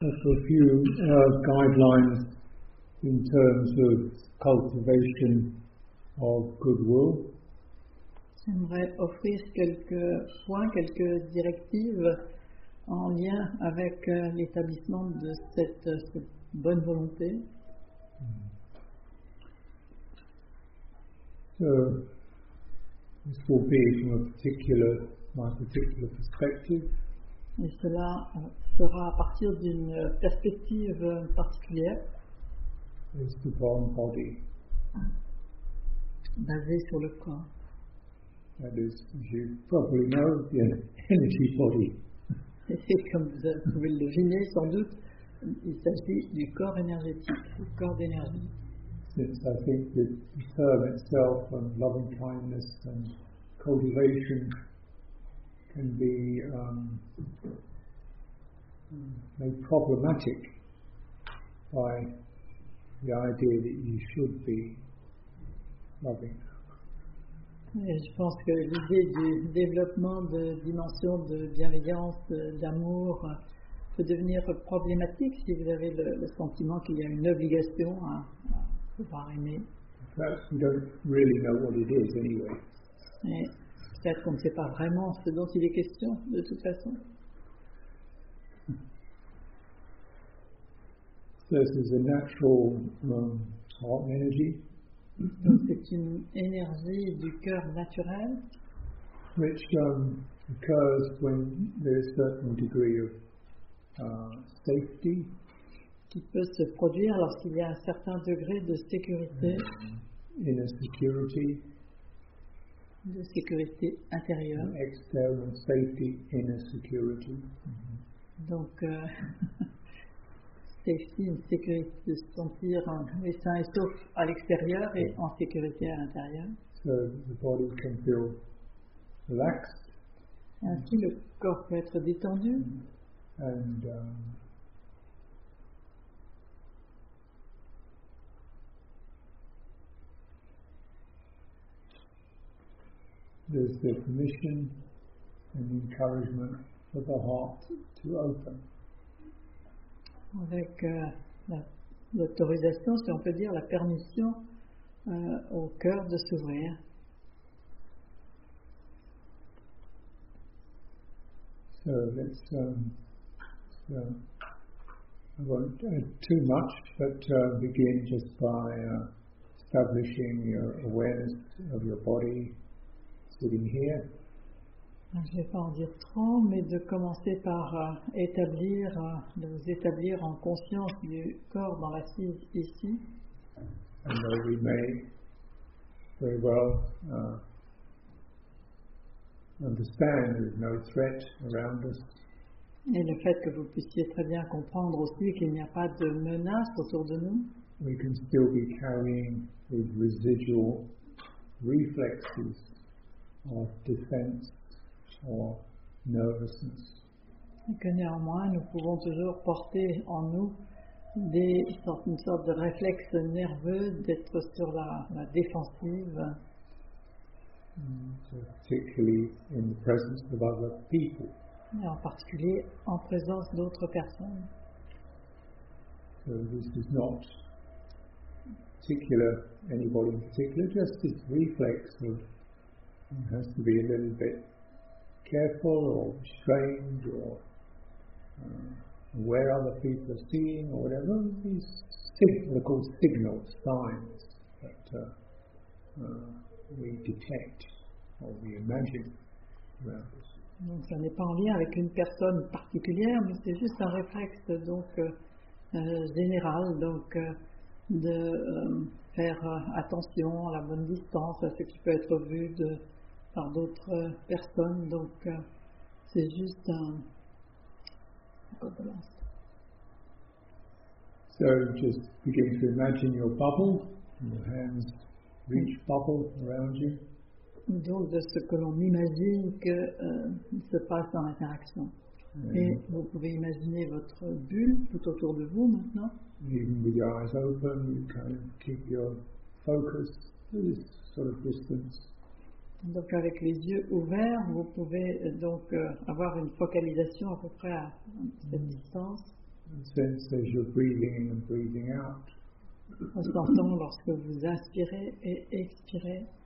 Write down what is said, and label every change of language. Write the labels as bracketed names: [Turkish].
[English] a few guidelines in terms of cultivation of goodwill. [French] J'aimerais offrir quelques points, quelques directives en lien avec l'établissement de cette bonne volonté. [English] So, this will be from my particular perspective. [French] Et cela sera à partir d'une perspective particulière. [English] It's the born body. [French] Basé sur le corps. [English] That is, as you probably know, the energy body. [French] Et comme vous pouvez le deviner, sans doute, il s'agit du corps énergétique, du corps d'énergie. [English] Since I think the term itself and loving kindness and cultivation can be made problematic by the idea that you should be loving. [French] Et je pense que l'idée du développement de dimensions de bienveillance, d'amour, peut devenir problématique si vous avez le sentiment qu'il y a une obligation à pouvoir aimer. [English] Perhaps we don't really know what it is anyway. [French] Et peut-être qu'on ne sait pas vraiment ce dont il est question de toute façon. [English] This is a natural heart energy. [French] Donc c'est une énergie du cœur naturel, [English] which occurs when there is a certain degree of safety, [French] qui peut se produire lorsqu'il y a un certain degré de sécurité, [English] inner security, [French] de sécurité intérieure, [English] external safety, inner security. [French] Donc safety, une sécurité de se sentir en sain et sauf à l'extérieur et en sécurité à l'intérieur. [English] So the body can feel relaxed. [French] Ainsi, le corps peut être détendu. [English] And there's the permission and encouragement for the heart to open. [French] Avec l'autorisation, si on peut dire, la permission au cœur de s'ouvrir. [English] So let's so I won't add too much, but begin just by establishing your awareness of your body sitting here. [French] Je ne vais pas en dire trop, mais de commencer par vous établir en conscience du corps dans l'assise ici. [English] And though we may very well understand there's no threat around us. [French] Et le fait que vous puissiez très bien comprendre aussi qu'il n'y a pas de menace autour de nous. [English] We can still be carrying these residual reflexes of defense. Or nervousness. [French] Et que néanmoins, nous pouvons toujours porter en nous une sorte de réflexe nerveux d'être sur la défensive. [English] So particularly in the presence of other people. [French] Et en particulier en présence d'autres personnes. [English] So this is not particular anybody in particular, just this reflex of it has to be a little bit careful or restrained or where other people are seeing or whatever, these are called signals, signs that we detect or we imagine around us. [French] Donc ça n'est pas en lien avec une personne particulière, mais c'est juste un réflexe donc général, donc de faire attention à la bonne distance, à ce qui peut être vu de par d'autres personnes, donc c'est juste un condolence. [English] So just begin to imagine your bubble, your hands reach bubble around you. [French] Donc de ce que l'on imagine que se passe dans l'interaction. Et vous pouvez imaginer votre bulle tout autour de vous maintenant. [English] Even with your eyes open, you kind of keep your focus to this sort of distance. [French] Donc avec les yeux ouverts, vous pouvez donc avoir une focalisation à peu près à cette distance. [English] sense as you're breathing in and breathing out. [French] En sentant lorsque vous inspirez et expirez.